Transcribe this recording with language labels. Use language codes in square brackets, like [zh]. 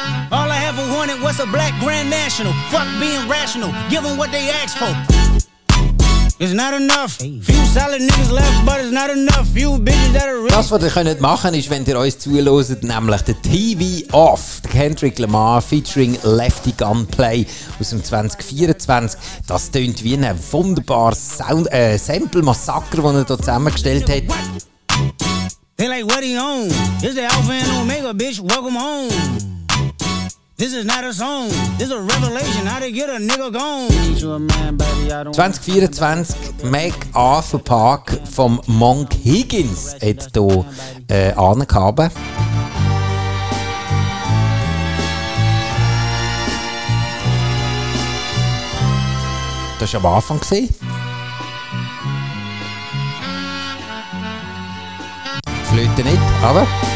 [en] All I ever wanted was a black grand national. Fuck being rational, given what they asked for. It's not enough. Few solid niggas left, but it's not enough. Few bitches that are rich. [de] Das, was ihr könnt machen, ist, wenn ihr uns zuhört, nämlich der TV Off, der Kendrick Lamar featuring Lefty Gunplay aus dem 2024. Das tönt wie ein wunderbares Sample-Massaker, den er hier zusammengestellt hat. [en] They like what he own. It's the Alpha and Omega, bitch. Welcome home. This is not a song, this is a revelation, how to get a nigga gone. [de] 2024, MacArthur Park vom Monk Higgins hat hier angehabt. Das war am Anfang. Flöte nicht, aber.